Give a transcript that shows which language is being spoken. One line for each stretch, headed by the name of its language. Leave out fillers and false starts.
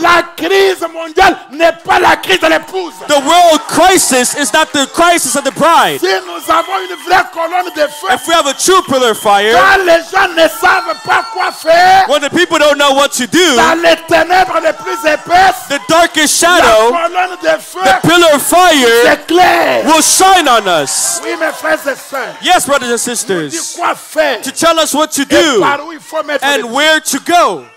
French: la crise mondiale n'est pas la crise de l'épouse.
English: The world crisis is not the crisis of the bride.
French: Si nous avons une vraie colonne de feu,
English: if we have a true pillar of fire,
French: quand les gens ne savent pas quoi faire,
English: when the people don't know what to do,
French: dans les ténèbres les plus épaisses,
English: the darkest shadow,
French: la colonne de feu,
English: the pillar of fire,
French: c'est clair,
English: will shine on us.
French: Oui, mes frères et sœurs,
English: yes, brothers and sisters,
French: nous dit quoi faire,
English: to tell us what to do. And where to go?